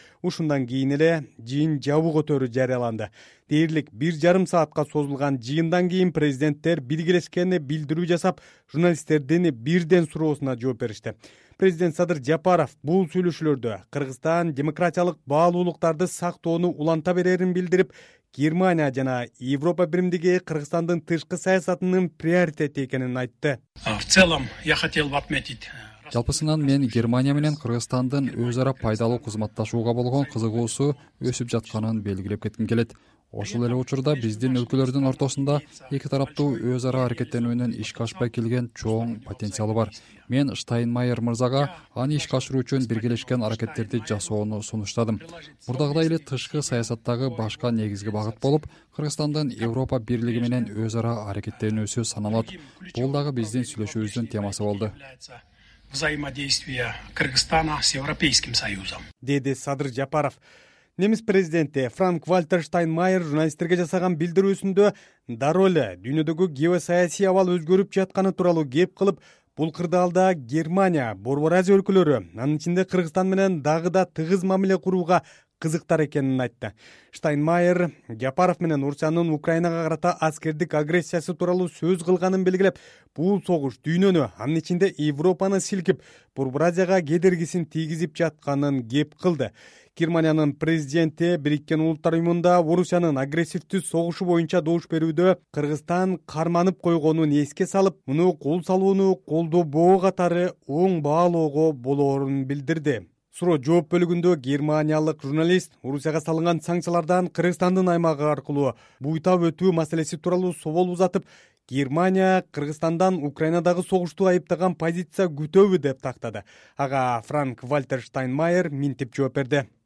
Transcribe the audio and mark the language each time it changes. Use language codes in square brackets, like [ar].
[ky] Ушундан кийин эле жыйын жабык өтөрү жарыяланды. Дээрлик 1.5 саатка созулган жыйындан кийин президенттер билгилешкенине билдирүү жасап, журналисттердин бирден суроосуна жооп беришти. Президент Садыр Жапаров бул сүйлөшүүлөрдө Кыргызстан демократиялык баалуулуктарды сактоону уланта берерин билдирип, Германия жана Европа биримдиги Кыргызстандын тышкы саясатынын приоритети экенин айтты. [ru] В целом, я хотел бы отметить. [ky] Жалпысынан мен Германия менен Кыргызстандын өз ара пайдалуу кызматташууга болгон кызыгуусу өсүп жатканын белгилеп кетким келет. Ошол эле учурда биздин өлкөлөрдүн ортосунда эки тараптуу өз ара аракеттенүүнүн ишке ашпай келген чоң потенциалы бар. Мен Штайнмайер мырзага аны ишке ашыруу үчүн биргелешкен аракеттерди жасоону сунуштадым. Мурдагыдай эле тышкы саясаттагы башка негизги багыт болуп, Кыргызстандын Европа бирлиги менен өз ара аракеттенүүсү саналат. Бул дагы биздин сүйлөшүүбүздүн темасы болду. [ru] Взаимодействия Кыргызстана с Европейским Союзом. [ky] Деди Садыр Жапаров. Немис президенти Франк-Вальтер Штайнмайер журналисттерге жасаган билдирүүсүндө дароле дүйнөдөгү геосаясий абал өзгөрүп жатканы тууралуу кеп кылып, бул кырдаалда Германия, Борбор Азия өлкөлөрү, анын ичинде Кыргызстан менен дагы да тыгыз мамиле курууга кызыктар экенин айтты. Штайнмайер Жапаров менен Орусиянын Украинага карата аскердик агрессиясы тууралуу сөз кылганын белгилеп, бул согуш дүйнөнү, анын ичинде Европаны силкип, Борбор Азияга кедергисин тийгизип жатканын кеп кылды. Германиянын президенти Бириккен Улуттар Уюмунда Орусиянын агрессивдүү согушу боюнча добуш берүүдө Кыргызстан карманып койгонун эске салып, муну кол салууну колдобоо катары оң баалоого болоорун билдирди. Суроо жооп бөлүгүндө германиялык журналист Орусияга салынган санкциялардан Кыргызстандын аймагы аркылуу буйтап өтүү маселеси тууралуу собол узатып, Германия Кыргызстандан Украинадагы согушту айыптаган позиция күтөбү деп тактады. Ага Франк-Вальтер Штайнмайер минтип жооп берди.